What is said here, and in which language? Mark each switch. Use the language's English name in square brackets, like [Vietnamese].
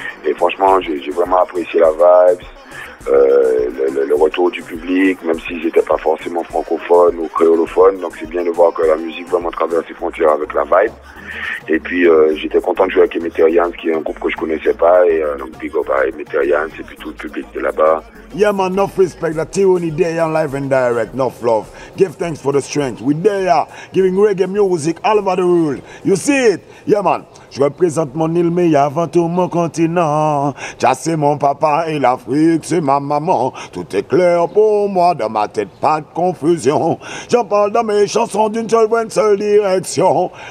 [French] Et franchement, j'ai vraiment apprécié la vibe, le retour du public, même s'ils n'étaient pas forcément francophones ou créolophones. Donc c'est bien de voir que la musique vraiment traverse les frontières avec la vibe. Et puis j'étais content de jouer avec Emeterians, qui est un groupe que je connaissais pas. Et donc big up à Emeterians et puis tout le public de là-bas. [English] Yeah man, enough respect, the Tyranny Day on live and direct, enough love. Give thanks for the strength, we there, giving reggae music all over the world. You see it? [French] Yeah man, je représente mon île, mais avant tout mon continent. Tchass c'est mon papa et l'Afrique c'est ma maman. Tout est clair pour moi, dans ma tête pas de confusion. J'en parle dans mes chansons d'une seule voie, une seule direction.